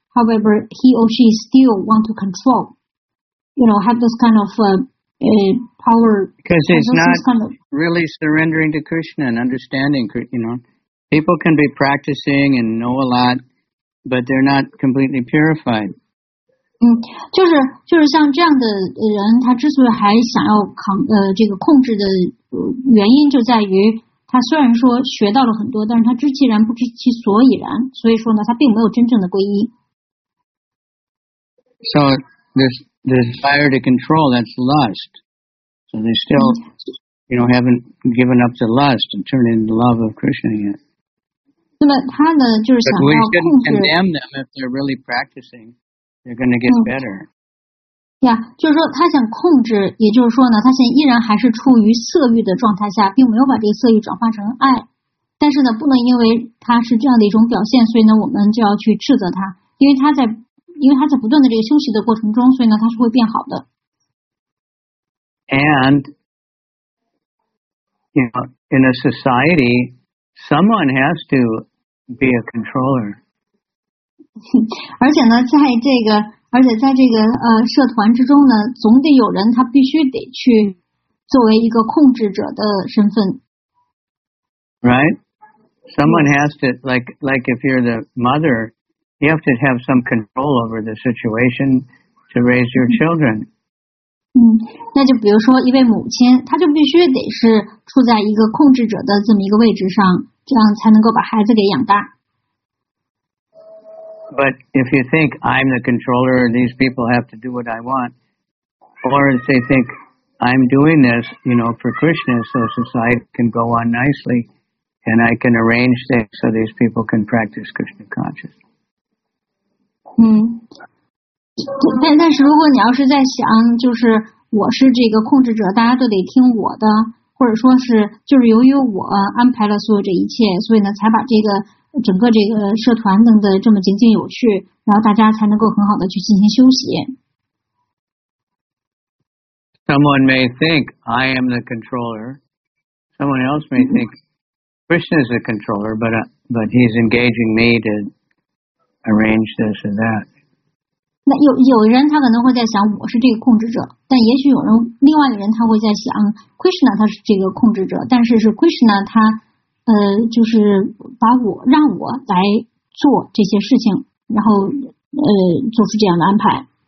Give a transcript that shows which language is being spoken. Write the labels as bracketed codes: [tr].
[en] However, he or she still want to control, you know, have this kind of power. Because it's not really surrendering to Krishna and understanding, you know. People can be practicing and know a lot, but they're not completely purified. [zh] 就是像这样的人，他之所以还想要这个控制的原因，就在于他虽然说学到了很多，但是他知其然不知其所以然，所以说呢，他并没有真正的皈依。 [en] So the desire to control, that's lust. So they still, you know, haven't given up the lust and turned into love of Krishna yet. [zh] 那么他呢，就是想要控制。 [en] But we shouldn't condemn them if they're really practicing. They're going to get better. [zh] Yeah, 就是说他想控制，也就是说呢，他现在依然还是处于色欲的状态下，并没有把这个色欲转化成爱。但是呢，不能因为他是这样的一种表现，所以呢，我们就要去斥责他，因为他在不断的这个休息的过程中，所以呢，他是会变好的。 [en] And, you know, in a society, someone has to be a controller. [zh] 而且呢，在这个社团之中呢，总得有人他必须得去作为一个控制者的身份。 [en] Right? Someone has to like if you're the mother, You have to have some control over the situation to raise your children. [zh] 嗯，那就比如说一位母亲，她就必须得是处在一个控制者的这么一个位置上，这样才能够把孩子给养大。 [en] But if you think I'm the controller, these people have to do what I want, or if they think I'm doing this, you know, for Krishna, so society can go on nicely, and I can arrange things so these people can practice Krishna consciousness. [zh] 但是如果你要是在想，就是我是这个控制者，大家都得听我的，或者说是就是由于我安排了所有这一切，所以呢才把这个整个这个社团弄得这么井井有序，然后大家才能够很好的去进行休息。 [en] Someone may think I am the controller. Someone else may think Krishna is the controller, but he's engaging me to arrange this and that. [zh] 那有人他可能会在想我是这个控制者，但也许有人另外的人他会在想 Krishna 他是这个控制者，但是是 Krishna 他就是把我让我来做这些事情，然后做出这样的安排。